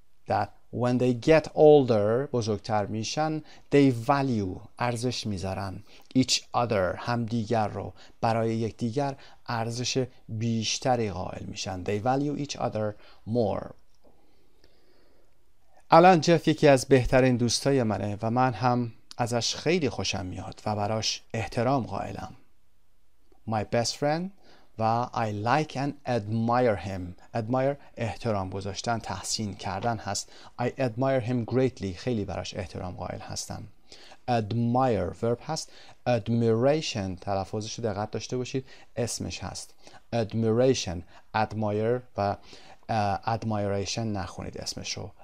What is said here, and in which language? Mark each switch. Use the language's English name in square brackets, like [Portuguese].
[English] That when they get older، [Persian] بزرگتر میشن، [English] they value، [Persian] ارزش میذارن [English] each other، [Persian] همدیگر رو، برای یکدیگر ارزش بیشتری قائل میشن. [English] They value each other more. [Persian] الان جف یکی از بهترین دوستای منه و من هم ازش خیلی خوشم میاد و براش احترام قائلم. [English] My best friend، و I like and admire him. [Persian] Admire، احترام گذاشتن، تحسین کردن هست. [English] I admire him greatly، [Persian] خیلی براش احترام قائل هستم. Admire verb هست. Admiration، تلفظش رو دقت داشته باشید، اسمش هست. Admiration، admire و admiration نخونید اسمش رو.